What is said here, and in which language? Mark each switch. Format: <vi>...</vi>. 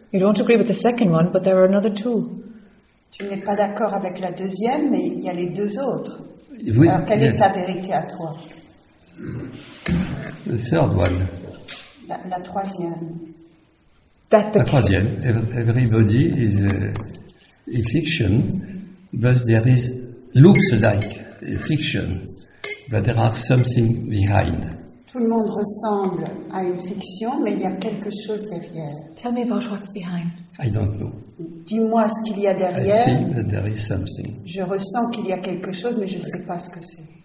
<en>You don't agree with the second one, but there are another two.</en> <fr>Tu n'es pas d'accord avec la deuxième, mais il y a les deux autres. Oui, alors, quelle est ta vérité à toi?</fr> <en>The third one.</en> <fr>La troisième.</fr> <en>That the</en> <fr>la troisième.</fr> <en>Everybody is a fiction, but there is looks like a fiction, but there are something behind.</en> <fr>Tout le monde ressemble à une fiction, mais il y a quelque chose derrière.</fr> <en>Tell me about what's behind. I don't know.</en> <fr>Dis-moi ce qu'il y a derrière.</fr> <en>I see that there is something.</en> <fr>Je ressens qu'il y a quelque chose, mais je ne sais pas ce que c'est.</fr>